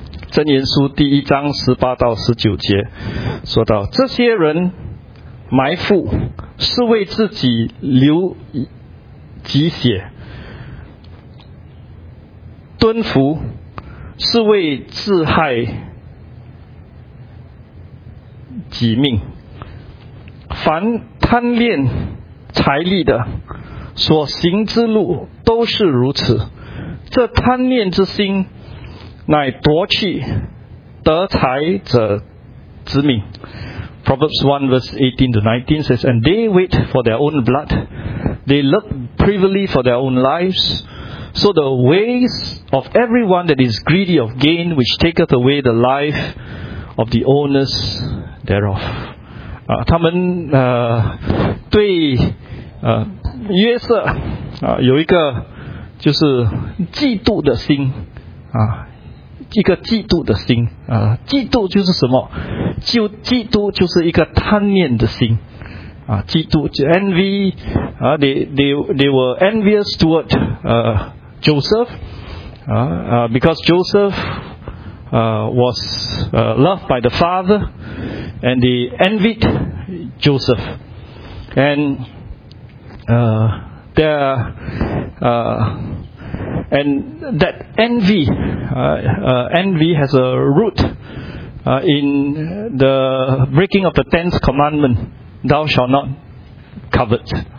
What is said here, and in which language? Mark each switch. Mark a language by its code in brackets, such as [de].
[zh] 箴言书第一章18-19节说到，这些人埋伏是为自己流己血，蹲伏是为自害己命。凡贪恋财力的所行之路都是如此，这贪恋之心乃夺去得财者之命。 [en] Proverbs 1:18-19 says, "And they wait for their own blood, they look privily for their own lives. So the ways of everyone that is greedy of gain, which taketh away the life of the owners thereof." [zh] 他们对约瑟有一个就是嫉妒的心啊。一个嫉妒的心啊，嫉妒就是什么？就嫉妒就是一个贪念的心啊，嫉妒就 envy 啊 ， [en] they were envious toward Joseph 啊，because Joseph was loved by the father and they envied Joseph and and that envy, envy has a root in the breaking of the tenth commandment, "Thou shalt not covet."